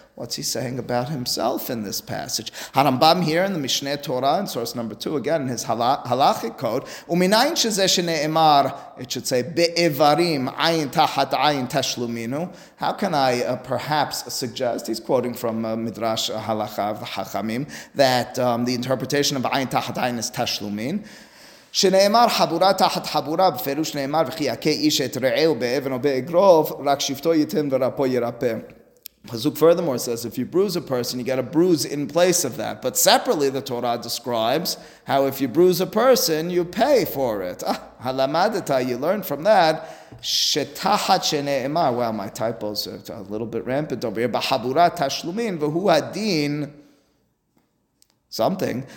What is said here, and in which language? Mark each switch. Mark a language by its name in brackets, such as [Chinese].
[English] What's he saying about himself in this passage? Harambam here in the Mishneh Torah, in source number 2, again, in his halachic code, [Hebrew] uminayin shezeh she'ne'emar, [English] it should say, [Hebrew] be'evarim, ayin tahat ayin tashluminu. [English] How can I perhaps suggest, he's quoting from Midrash Halacha of Hachamim, that the interpretation of ayin tahat ayin is tashlumin? [Hebrew] שנאמר חבורה תחת חבורה בפירוש נאמר וכי יקה איש את רעהו באבן או באגרוב רק שבטו ייתן ורפו ירפא. [English] Pasuk furthermore says, if you bruise a person, you get a bruise in place of that. But separately, the Torah describes how if you bruise a person, you pay for it. Halamadata, you learn from that. [Hebrew] Shetachat she'ne'emar. [English] Well, my typos are a little bit rampant over here. [Hebrew] Bahabura tashlumin v'hu hadin [English] something.